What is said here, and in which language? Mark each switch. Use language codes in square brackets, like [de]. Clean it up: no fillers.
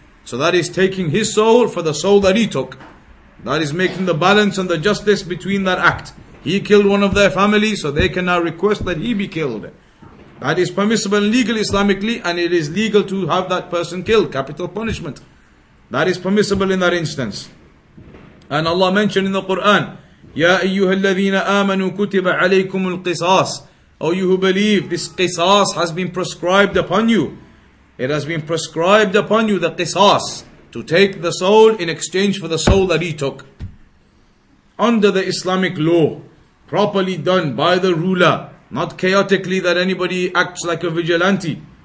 [en] So that is taking his soul for the soul that he took. That is making the balance and the justice between that act. He killed one of their family, so they can now request that he be killed. That is permissible and legal Islamically, and it is legal to have that person killed, capital punishment. That is permissible in that instance. And Allah mentioned in the Quran, [ar] يَا أَيُّهَا الَّذِينَ آمَنُوا كُتِبَ عَلَيْكُمُ الْقِصَاصِ. [en] O you who believe, this qisas has been prescribed upon you. It has been prescribed upon you, the qisas, to take the soul in exchange for the soul that he took. Under the Islamic law, properly done by the ruler, not chaotically that anybody acts like a vigilante.